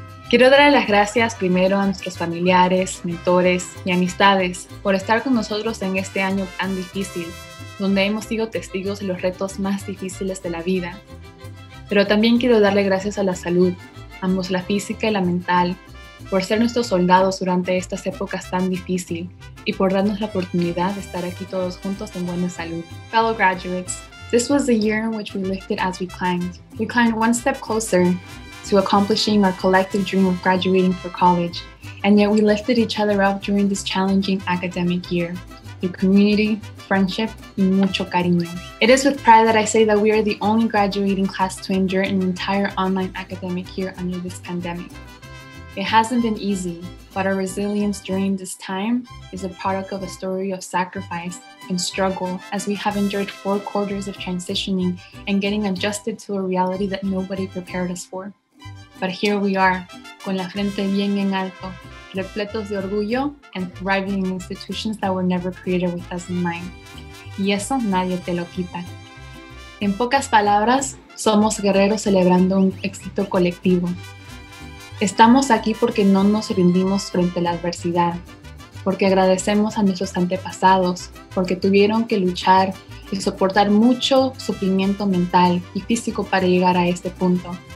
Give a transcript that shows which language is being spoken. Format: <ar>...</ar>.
<es>Quiero dar las gracias primero a nuestros familiares, mentores y amistades por estar con nosotros en este año tan difícil, donde hemos sido testigos de los retos más difíciles de la vida. Pero también quiero darle gracias a la salud, ambos la física y la mental, por ser nuestros soldados durante estas épocas tan difíciles y por darnos la oportunidad de estar aquí todos juntos en buena salud.</es> <en>Fellow graduates, this was the year in which we lifted as we climbed. We climbed one step closer to accomplishing our collective dream of graduating for college, and yet we lifted each other up during this challenging academic year through community, friendship, and</en> <es>mucho cariño.</es> <en>It is with pride that I say that we are the only graduating class to endure an entire online academic year under this pandemic. It hasn't been easy, but our resilience during this time is a product of a story of sacrifice and struggle as we have endured 4 quarters of transitioning and getting adjusted to a reality that nobody prepared us for. But here we are,</en> <es>con la frente bien en alto, repletos de orgullo</es> <en>and thriving in institutions that were never created with us in mind.</en> <es>Y eso nadie te lo quita. En pocas palabras, somos guerreros celebrando un éxito colectivo. Estamos aquí porque no nos rendimos frente a la adversidad, porque agradecemos a nuestros antepasados, porque tuvieron que luchar y soportar mucho sufrimiento mental y físico para llegar a este punto.</es>